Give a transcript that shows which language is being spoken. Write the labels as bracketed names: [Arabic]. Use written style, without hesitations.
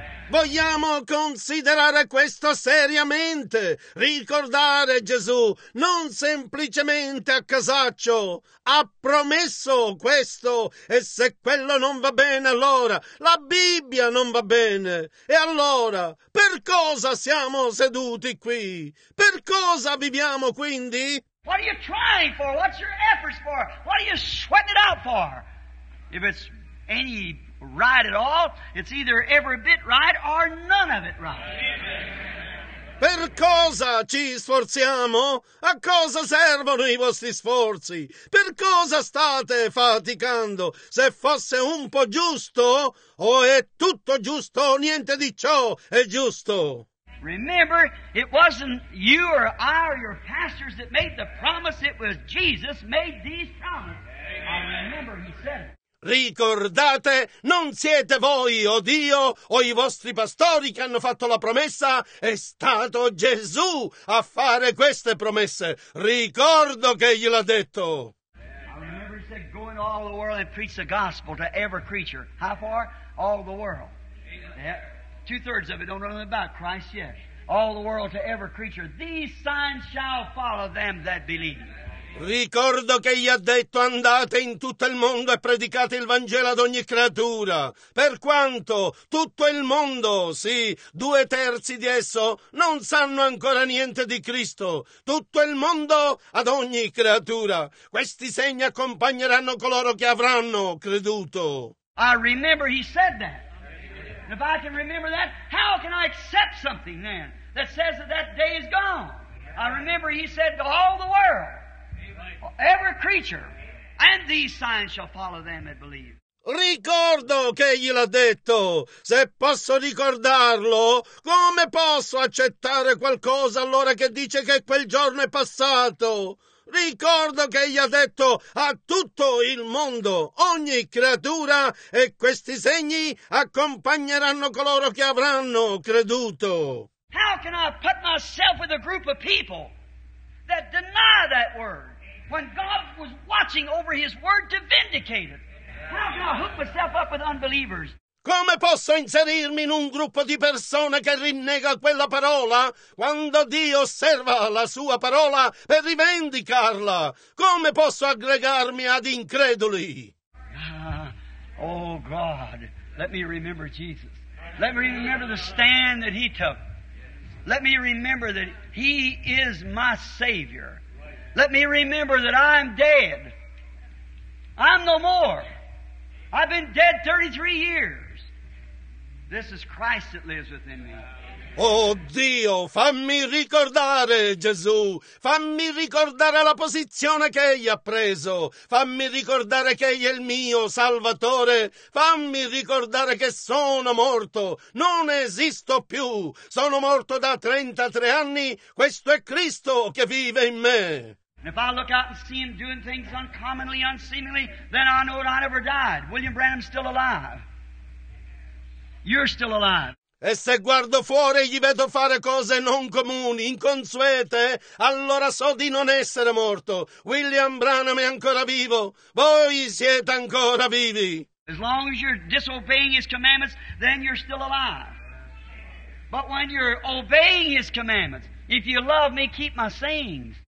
[Italian] Vogliamo considerare questo seriamente. Ricordare Gesù, non semplicemente a casaccio. Ha promesso questo. E se quello non va bene, allora la Bibbia non va bene. E allora, per cosa siamo seduti qui? Per cosa viviamo quindi? [English] What are you trying for? What's your efforts for? What are you sweating it out for? If it's any right at all, it's either every bit right or none of it right. [Italian] Per cosa ci sforziamo? A cosa servono i vostri sforzi? Per cosa state faticando? Se fosse un po' giusto, o è tutto giusto, o niente di ciò è giusto. [English] Remember, it wasn't you or I or your pastors that made the promise. It was Jesus made these promises. I remember he said it. [Italian] Ricordate, non siete voi o Dio o i vostri pastori che hanno fatto la promessa. È stato Gesù a fare queste promesse. Ricordo che egli l'ha detto. [English] I remember he said, go into all the world and preach the gospel to every creature. How far? All the world. Yeah. Two-thirds of it don't know about Christ yet. All the world to every creature. These signs shall follow them that believe. [Italian] Ricordo che gli ha detto andate in tutto il mondo e predicate il Vangelo ad ogni creatura. Per quanto tutto il mondo, sì, due terzi di esso, non sanno ancora niente di Cristo. Tutto il mondo ad ogni creatura. Questi segni accompagneranno coloro che avranno creduto. [English] I remember he said that. If I can remember that, how can I accept something then that says that that day is gone? I remember he said to all the world, every creature, and these signs shall follow them that believe. [Italian] Ricordo che egli l'ha detto. Se posso ricordarlo, come posso accettare qualcosa allora che dice che quel giorno è passato? Ricordo che egli ha detto a tutto il mondo, ogni creatura, e questi segni accompagneranno coloro che avranno creduto. [English] How can I put myself with a group of people that deny that word when God was watching over his word to vindicate it? How can I hook myself up with unbelievers? [Italian] Come posso inserirmi in un gruppo di persone che rinnega quella parola quando Dio osserva la sua parola per rivendicarla? Come posso aggregarmi ad increduli? [English] Oh God, let me remember Jesus. Let me remember the stand that he took. Let me remember that he is my Savior. Let me remember that I'm dead. I'm no more. I've been dead 33 years. This is Christ that lives within me. [Italian] Oh Dio, fammi ricordare Gesù. Fammi ricordare la posizione che egli ha preso. Fammi ricordare che egli è il mio Salvatore. Fammi ricordare che sono morto. Non esisto più. Sono morto da 33 anni. Questo è Cristo che vive in me. [English] And if I look out and see him doing things uncommonly, unseemingly, then I know that I never died. William Branham's still alive. You're still alive. [Italian] E se guardo fuori e gli vedo fare cose non comuni, inconsuete, allora so di non essere morto. William Branham è ancora vivo. Voi siete ancora vivi. [English] As long as you're disobeying his commandments, then you're still alive. But when you're obeying his commandments, if you love me, keep my sayings.